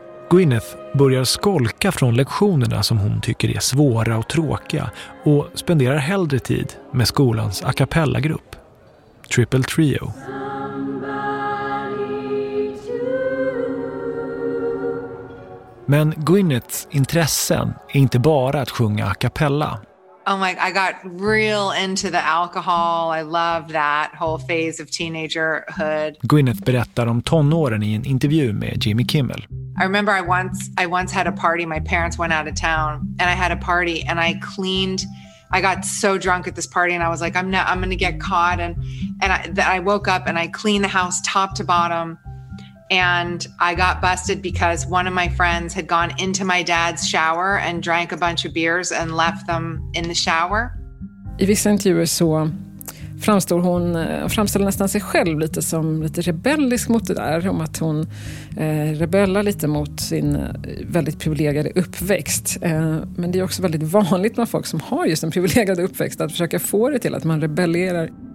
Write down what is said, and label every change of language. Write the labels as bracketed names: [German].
[Swedish] Gwyneth börjar skolka från lektionerna som hon tycker är svåra och tråkiga och spenderar hellre tid med skolans a cappella-grupp, Triple Trio. Men Gwyneths intressen är inte bara att sjunga a cappella. [English] Oh my, I got real into the alcohol. I loved that whole phase of teenagerhood. [Swedish] Gwyneth berättar om tonåren i en intervju med Jimmy Kimmel. [English] I remember I once had a party. My parents went out of town and I had a party and I got so drunk at this party and I was like, I'm going to get caught. And I woke up and I cleaned the house top to bottom. And I got busted because one of my friends had gone into my dad's shower and drank a bunch of beers and left them in the shower. [Swedish] I vissa intervjuer så framställer nästan sig själv lite som lite rebellisk mot det där, om att hon rebellar lite mot sin väldigt privilegierade uppväxt. Men det är också väldigt vanligt med folk som har just en privilegierade uppväxt att försöka få det till att man rebellerar.